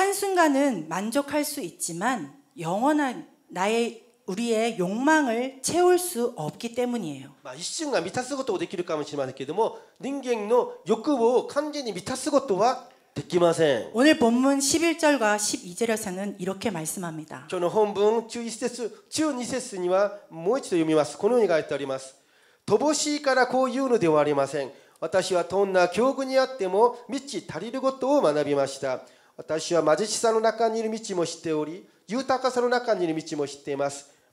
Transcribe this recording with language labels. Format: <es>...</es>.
<ko>한순간은 만족할 수 있지만 영원한 나의 우리의 욕망을 채울 수 없기 때문이에요.</ko> <ja>일순간 満たすことができるかもしれませんけども、人間の欲を完全に満たすことはできません.</ja> <ko>오늘 본문 11절과 12절에서는 이렇게 말씀합니다. 저는 본문</ko> <ja>11節、12節にはもう一度読みます。このように書いてあります。乏しいからこういうのではありません。私はどんな境遇にあっても、満ち足りることを学びました。私は貧しさの中にいる道も知っており、豊かさの中にいる道も知っています。</ja>